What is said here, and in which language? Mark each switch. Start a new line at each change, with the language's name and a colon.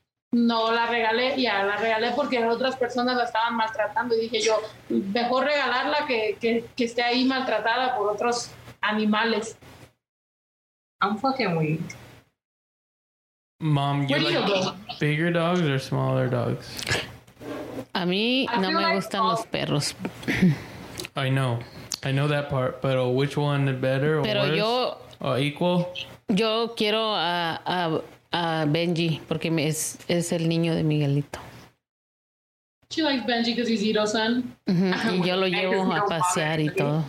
Spanish: No, la regalé porque las otras personas la estaban maltratando y dije yo, mejor regalarla que esté ahí maltratada por otros animales.
English: I'm fucking weak. Mom, you like bigger dogs or smaller dogs?
Spanish: A mí no me gustan los perros.
English: I know that part, but which one better or
Spanish: pero
English: worse?
Spanish: Yo,
English: or equal?
Spanish: Yo quiero a Benji, porque es el niño de Miguelito.
English: She likes Benji because he's Ito's son.
Spanish: Y yo lo llevo a pasear y todo.